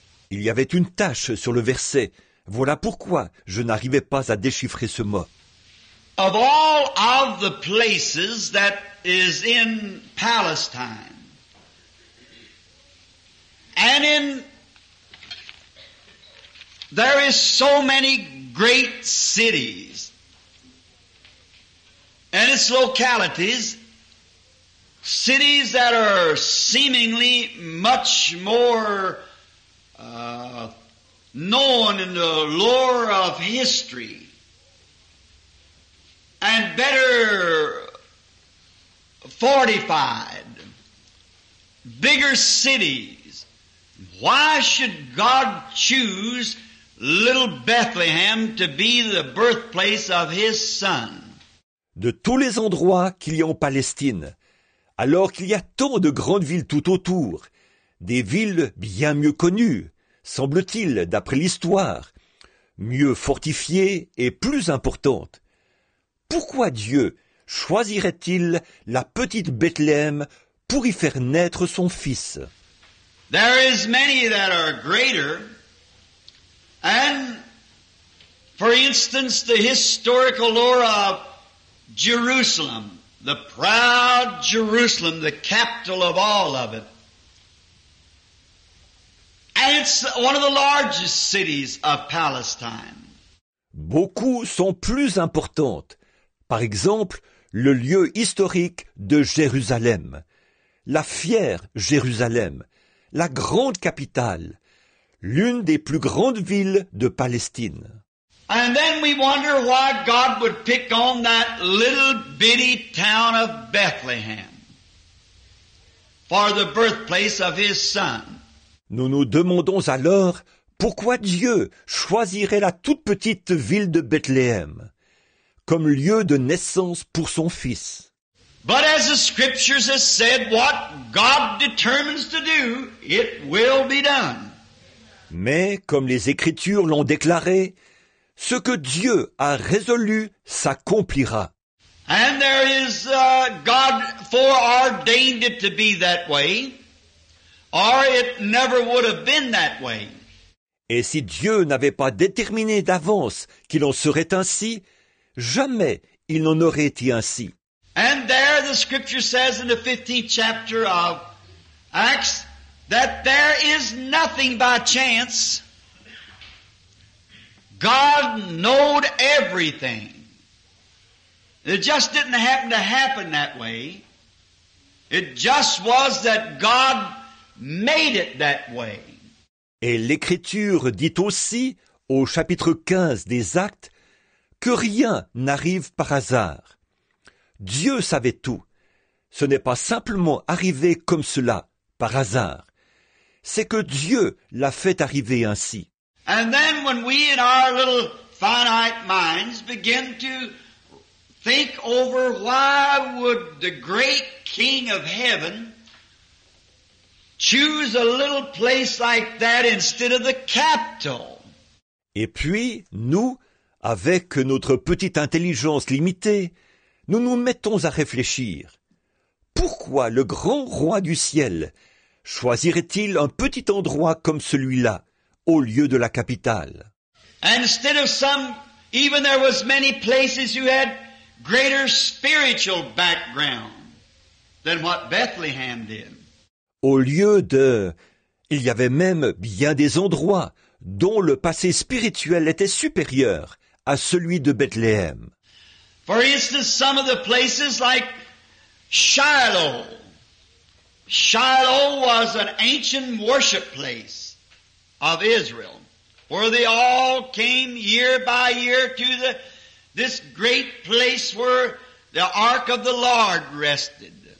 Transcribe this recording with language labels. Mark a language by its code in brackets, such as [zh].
[fr] Il y avait une tache sur le verset. Voilà pourquoi je n'arrivais pas à déchiffrer ce mot. [en] Of all of the places that is in Palestine and in there is so many great cities and its localities, cities that are seemingly much more known in the lore of history and better fortified, bigger cities. Why should God choose little Bethlehem to be the birthplace of his son? [fr] De tous les endroits qu'il y a en Palestine, alors qu'il y a tant de grandes villes tout autour, des villes bien mieux connues, semble-t-il, d'après l'histoire, mieux fortifiées et plus importantes. Pourquoi Dieu choisirait-il la petite Bethléem pour y faire naître son fils? [en] There is many that are greater. And, for instance, the historical lore of Jerusalem, the proud Jerusalem, the capital of all of it. And it's one of the largest cities of Palestine. [fr] Beaucoup sont plus importantes. Par exemple, le lieu historique de Jérusalem, la fière Jérusalem, la grande capitale, l'une des plus grandes villes de Palestine. [en] And then we wonder why God would pick on that little bitty town of Bethlehem for the birthplace of his son. [fr] Nous nous demandons alors pourquoi Dieu choisirait la toute petite ville de Bethléem comme lieu de naissance pour son fils. [en] But as the scriptures have said, what God determines to do, it will be done. [fr] Mais, comme les Écritures l'ont déclaré, ce que Dieu a résolu s'accomplira. [en] And there is God foreordained it to be that way, or it never would have been that way. [fr] Et si Dieu n'avait pas déterminé d'avance qu'il en serait ainsi, jamais il n'en aurait été ainsi. [en] And there the scripture says in the 15th chapter of Acts, that there is nothing by chance. God knowed everything. It just didn't happen to happen that way. It just was that God made it that way. [fr] Et l'Écriture dit aussi, au chapitre 15 des Actes, que rien n'arrive par hasard. Dieu savait tout. Ce n'est pas simplement arrivé comme cela, par hasard. C'est que Dieu l'a fait arriver ainsi. [en] And then when we in our little finite minds begin to think over why would the great King of Heaven choose a little place like that instead of the capital? [fr] Et puis, nous, Avec notre petite intelligence limitée, nous nous mettons à réfléchir. Pourquoi le grand roi du ciel choisirait-il un petit endroit comme celui-là, au lieu de la capitale? [en] Instead of some, even there was many places you had greater spiritual background than what Bethlehem did. [fr] Au lieu de, il y avait même bien des endroits dont le passé spirituel était supérieur à celui de Bethléem. [en] For instance, some of the places like Shiloh. Shiloh was an ancient worship place of Israel, where they all came year by year to this great place where the Ark of the Lord rested.